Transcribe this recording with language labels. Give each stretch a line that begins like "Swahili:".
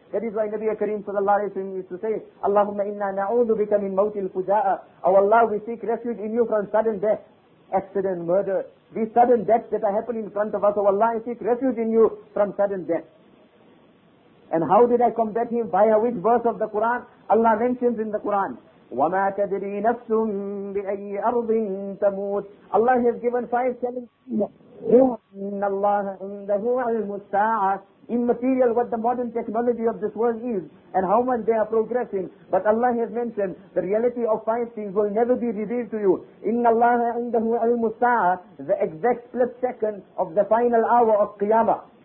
English: That is why Nabi Kareem sallallahu alayhi wa sallam used to say,
Arabic: Allahumma inna na'udhu bika min mawtil fuja'a.
English: Oh Allah, we seek refuge in you from sudden death. Accident, murder. These sudden deaths that are happening in front of us, oh Allah, I seek refuge in you from sudden death. And how did I combat him? By which verse of the Quran? Allah mentions in the Quran,
Arabic: وَمَا تَدْرِي نَفْسٌ بِأَيِّ أَرْضٍ تَمُوتٍ.
English: Allah has given five challenges.
Arabic: إِنَّ اللَّهَ عِنْدَهُ عِلْمُ السَّاعَةِ.
English: Immaterial what the modern technology of this world is and how much they are progressing. But Allah has mentioned the reality of five things will never be revealed to you.
Arabic: إِنَّ اللَّهَ عِنْدَهُ عِلْمُ السَّاعَةِ.
English: The exact split second of the final hour of Qiyamah.